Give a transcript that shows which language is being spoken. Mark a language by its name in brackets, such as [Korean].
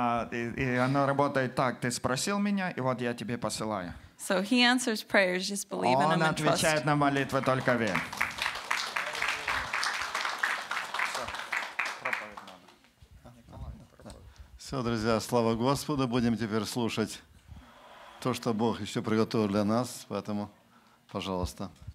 [Russian] И оно работает так, ты спросил меня, и вот я тебе посылаю. [English] So he answers prayers, just believe in him and trust. [Russian] Он отвечает на молитвы только верь. Все, друзья, слава Господу. Будем теперь слушать то, что Бог еще приготовил для нас. Поэтому, пожалуйста.